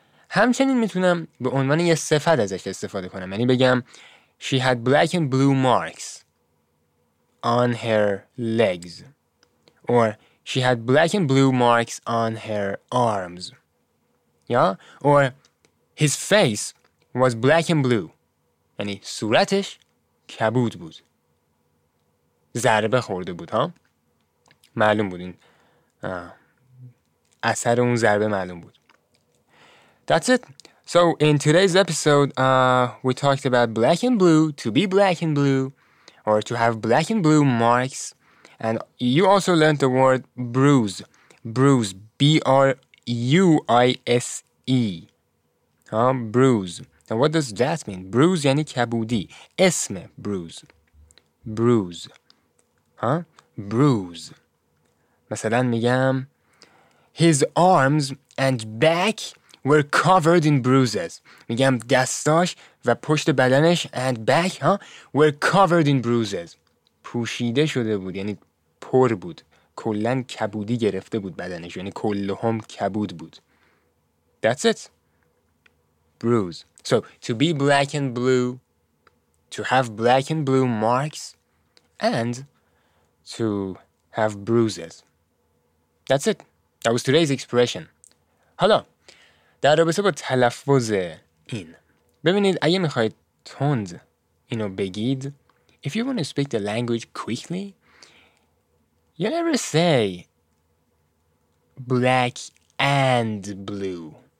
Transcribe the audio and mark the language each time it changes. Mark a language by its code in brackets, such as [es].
[fa] همچنین میتونم به عنوان یه صفت ازش استفاده کنم، یعنی بگم [en] she had black and blue marks on her legs or she had black and blue marks on her arms. Yeah? Or his face was black and blue. [fa] یعنی صورتش کبود بود. ضربه خورده بود، ها؟ معلوم بود این اثر اون ضربه معلوم بود. [en] That's it. So in today's episode, we talked about black and blue, to be black and blue, or to have black and blue marks. And you also learned the word bruise. Bruise. B-R-U-I-S-E. Bruise. Now what does that mean? Bruise [fa] yani kabudi. Esme [en] bruise. Bruise. Huh? Bruise. [fa] مثلا میگم [en] his arms and back were covered in bruises. [fa] میگم دستاش و پشت بدنش [en] and back were covered in bruises. [fa] پوشیده شده بود، یعنی پر بود، کلن کبودی گرفته بود بدنش، یعنی کلهم کبود بود. [en] That's it. Bruise. So to be black and blue, to have black and blue marks, and to have bruises. That's it. That was today's expression. [fa] حالا در رابطه با تلفظ این، ببینید اگه میخواید تند اینو بگید، [en] if you want to speak the language quickly, you never say black and blue.